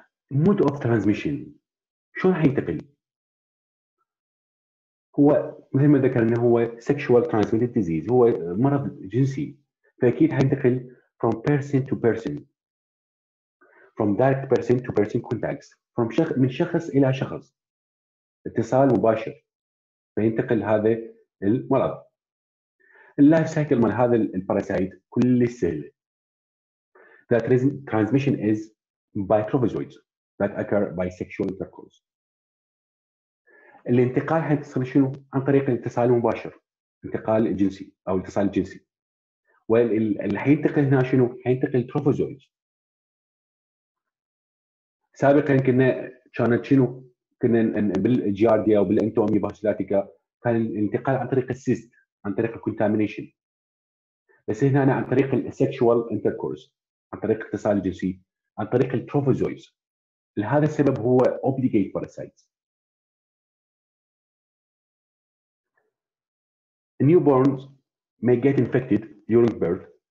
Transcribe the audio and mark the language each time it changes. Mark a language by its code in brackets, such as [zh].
[ar] مود اوف ترانسميشن شلون حيتقل؟ هو مثل ما ذكرنا هو sexual transmitted disease، هو مرض جنسي، فأكيد حينتقل from person to person، from direct person to person contacts، from من شخص إلى شخص، اتصال مباشر، فينتقل هذا المرض. اللايف سايكل من هذا الباراسايت كل سهل. [en] That transmission is by trophozoites that occur by sexual intercourse. [ar] الانتقال حيتصل شنو؟ عن طريق الاتصال المباشر، انتقال جنسي او اتصال جنسي. واللي حينتقل هنا شنو؟ حينتقل تروفوزويد. سابقا كانت شنو؟ كنا بالجيارديا او بالانتوميا باسيلاتيكا كان الانتقال عن طريق السيست، عن طريق الكونتامينيشن. بس هنا أنا عن طريق السكشوال انتركورس، عن طريق الاتصال الجنسي، عن طريق التروفوزويد. لهذا السبب هو اوبليجيت باراسايتس. [en] Newborns may get infected during birth.